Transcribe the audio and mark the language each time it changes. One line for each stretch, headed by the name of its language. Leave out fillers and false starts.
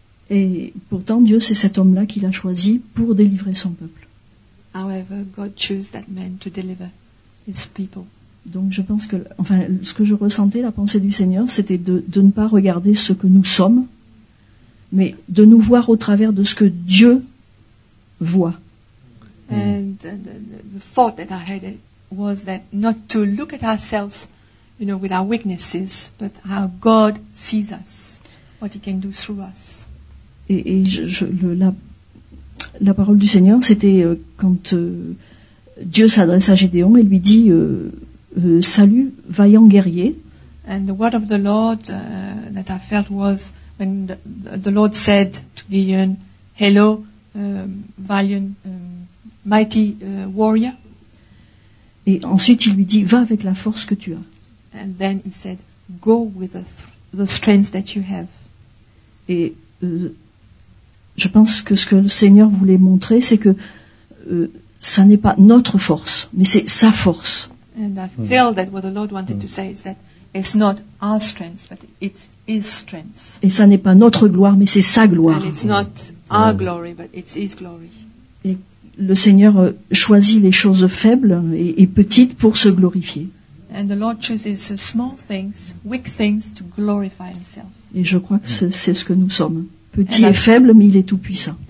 French: Et pourtant, Dieu, c'est cet homme-là qu'il a choisi pour délivrer son peuple.
English: However, God chose that man to deliver his people.
French: Donc je pense que, enfin, ce que je ressentais, la pensée du Seigneur, c'était de ne pas regarder ce que nous sommes, mais de nous voir au travers de ce que Dieu voit.
English: And the thought that I had was that not to look at ourselves, you know, with our weaknesses, but how God sees us, what He can do through us.
French: Et la parole du Seigneur, c'était quand Dieu s'adresse à Gédéon et lui dit. Salut, vaillant guerrier.
English: And the word of the Lord that I felt was when the Lord said to Gideon, "Hello, valiant, mighty warrior."
French: Et ensuite, il lui dit, va avec la force que tu as.
English: And then he said, go with the strength that you have.
French: Et je pense que ce que le Seigneur voulait montrer, c'est que ça n'est pas notre force, mais c'est sa force.
English: And I feel that what the Lord wanted to say is that it's not our strength, but it's His strength.
French: Et ça n'est pas notre gloire, mais c'est sa gloire.
English: And it's not our glory, but it's His glory.
French: Et le Seigneur choisit les choses faibles et petites pour se glorifier.
English: And the Lord chooses the small things, weak things, to glorify Himself.
French: Et je crois que c'est ce que nous sommes. Petit et faible, mais il est tout puissant.